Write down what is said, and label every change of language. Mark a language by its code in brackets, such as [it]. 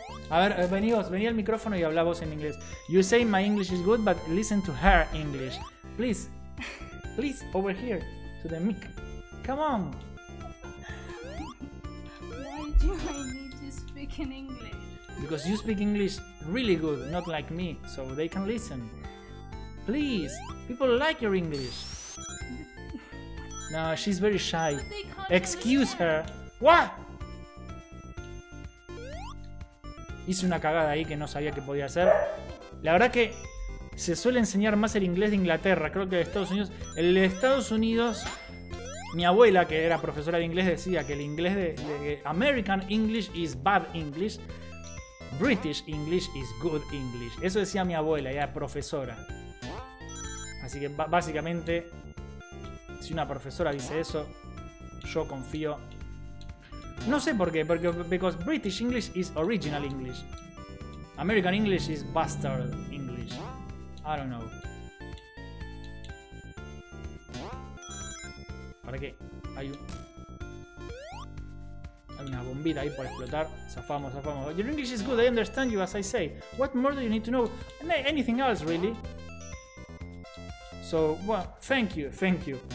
[es] A ver, vení al micrófono y hablá vos en inglés. [en] You say my English is good, but listen to her English. Please. Please, over here. To the mic. Come on. Why do I need to speak in English? Because you speak English really good, not like me, so they can listen. Please, people like your English. No, she's very shy. But they can't excuse understand. Her. What? [es] Hice una cagada ahí que no sabía que podía hacer. La verdad que se suele enseñar más el inglés de Inglaterra. Creo que de Estados Unidos. El de Estados Unidos, mi abuela, que era profesora de inglés, decía que el inglés de American English is bad English. [en] British English is good English. [es] Eso decía mi abuela, ella era profesora. Así que básicamente, si una profesora dice eso, yo confío... [en] No sé por qué, because British English is original English. American English is bastard English. I don't know. [es] ¿Para qué? Hay una bombita ahí por explotar. Zafamos, zafamos. [en] Your English is good, I understand you as I say. What more do you need to know? Anything else, really? So, well, thank you, thank you.